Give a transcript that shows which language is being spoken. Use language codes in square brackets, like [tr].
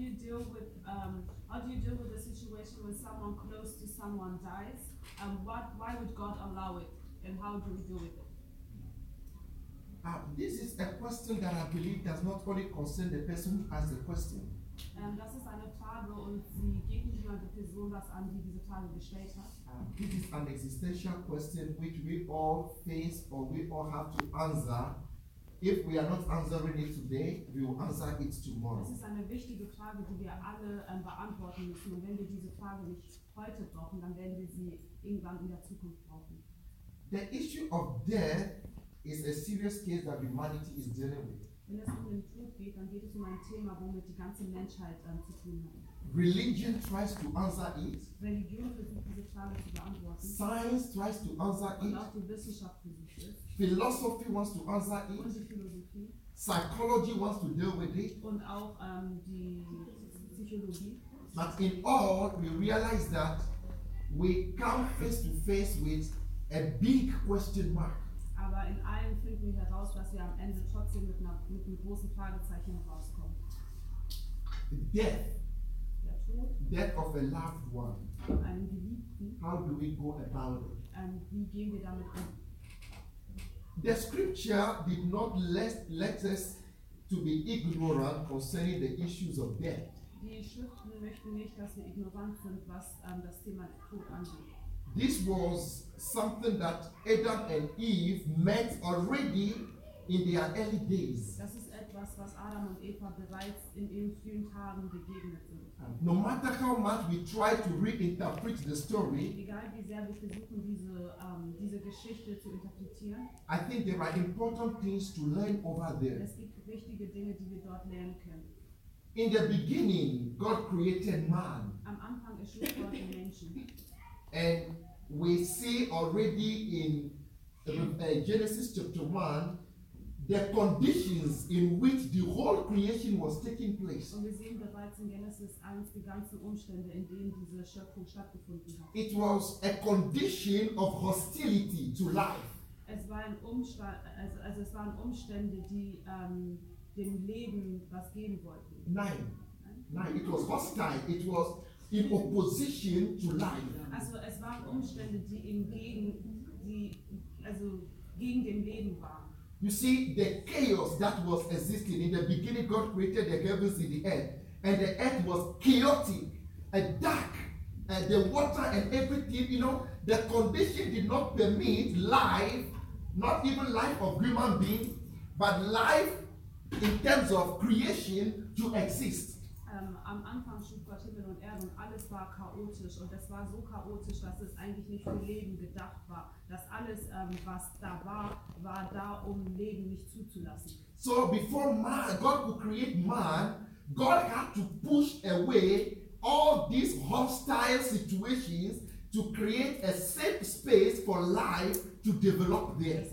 [en] How do you deal with the situation when someone close to someone dies? And why would God allow it? And how do we deal with it? This is a question that I believe does not only concern the person who asks the question. [de] Das ist eine Frage und sie geht nicht nur an die Person, das an die diese Frage gestellt hat. [en] This is an existential question which we all face or we all have to answer. If we are not answering it today, we will answer it tomorrow. [de] Das ist eine wichtige Frage, die wir alle beantworten müssen. Und wenn wir diese Frage nicht heute brauchen, dann werden wir sie irgendwann in der Zukunft brauchen. [en] The issue of death is a serious case that humanity is dealing with. [de] Wenn es um den Tod geht, dann geht es um ein Thema, womit die ganze Menschheit zu tun hat. [en] Religion tries to answer it. [de] Religion versucht diese Frage zu beantworten. [en] Science tries to answer it. [de] Und auch die Wissenschaft versucht es. [en] Philosophy wants to answer it. [de] Und die Philosophie. [en] Psychology wants to deal with it. [de] Und auch die Psychologie. [en] But in all, we realize that we come face to face with a big question mark. [de] Aber in allem finden wir heraus, dass wir am Ende trotzdem mit einem großen Fragezeichen rauskommen. [en] Death. [de] Der Tod. [en] Death of a loved one. [de] Einen Geliebten. [en] How do we go about it? [de] Wie gehen wir damit um? [en] The scripture did not let us to be ignorant concerning the issues of death. [de] Die Schriften möchten nicht, dass wir ignorant sind, was das Thema Tod angeht. [en] This was something that Adam and Eve met already in their early days. [de] Das ist etwas, was Adam und Eva bereits in ihren frühen Tagen begegnet sind. [en] No matter how much we try to reinterpret the story, [de] egal wie sehr wir versuchen, diese Geschichte zu interpretieren, [en] I think there are important things to learn over there. [de] Es gibt wichtige Dinge, die wir dort lernen können. [en] In the beginning, God created man. [de] Am Anfang erschuf Gott den Menschen. [en] And we see already in Genesis chapter 1, the conditions in which the whole creation was taking place. [de] Und wir sehen bereits in Genesis 1 die ganzen Umstände, in denen diese Schöpfung stattgefunden hat. [en] It was a condition of hostility to life. [de] Es war ein Umstand, also es waren Umstände, die dem Leben was geben wollten. Nein, [en] it was hostile. It was in opposition to life. [de] Also es waren Umstände, die gegen dem Leben waren. [en] You see, the chaos that was existing in the beginning, God created the heavens and the earth, and the earth was chaotic and dark, and the water and everything, you know, the condition did not permit life, not even life of human beings, but life in terms of creation to exist. [de] Am Anfang schuf Gott Himmel und Erde und alles war chaotisch und es war so chaotisch, dass es eigentlich nicht für Leben gedacht war. Dass alles, was da war, war da, um Leben nicht zuzulassen. [en] So before man, God could create man, God had to push away all these hostile situations to create a safe space for life to develop there.